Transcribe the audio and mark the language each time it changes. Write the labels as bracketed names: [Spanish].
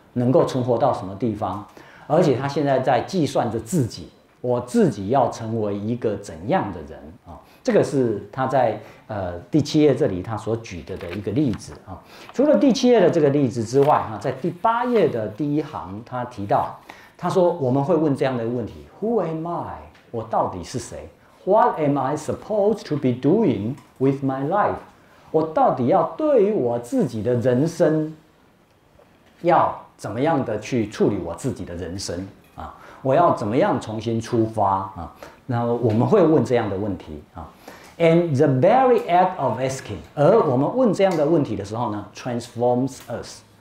[Chinese] 能够存活到什么地方，而且他现在在计算着自己，我自己要成为一个怎样的人啊，这个是他在第七页这里他所举的一个例子啊。除了第七页的这个例子之外啊，在第八页的第一行他提到，他说我们会问这样的问题 [English] Who am I? [Chinese] 我到底是谁？ [English] What am I supposed to be doing with my life? [Chinese] 我到底要对于我自己的人生要怎么样的去处理我自己的人生啊？我要怎么样重新出发啊？那我们会问这样的问题啊。 [English] And the very act of asking， [Chinese] 而我们问这样的问题的时候呢 [English] ，transforms us，